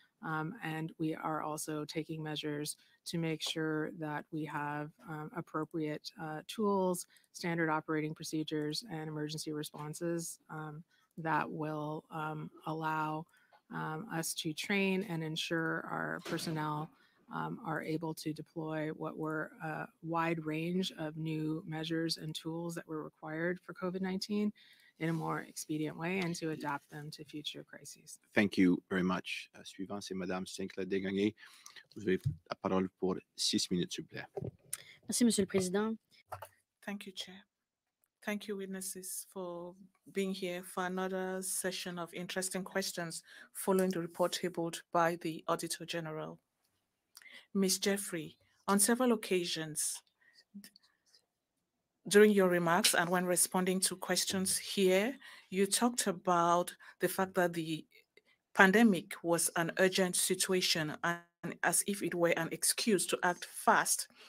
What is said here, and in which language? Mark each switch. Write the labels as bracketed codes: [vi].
[en] And we are also taking measures to make sure that we have appropriate tools, standard operating procedures, and emergency responses that will allow us to train and ensure our personnel are able to deploy what were a wide range of new measures and tools that were required for COVID-19 in a more expedient way and to adapt them to future crises. Thank you very much. [fr] Suivant, c'est Madame Sinclair Degagné. Vous avez la parole pour 6 minutes, s'il vous plaît. Merci, Monsieur le Président. [en] Thank you, Chair. Thank you, witnesses, for being here for another session of interesting questions following the report tabled by the Auditor General. Ms. Jeffrey, on several occasions during your remarks and when responding to questions here, you talked about the fact that the pandemic was an urgent situation and as if it were an excuse to act fast.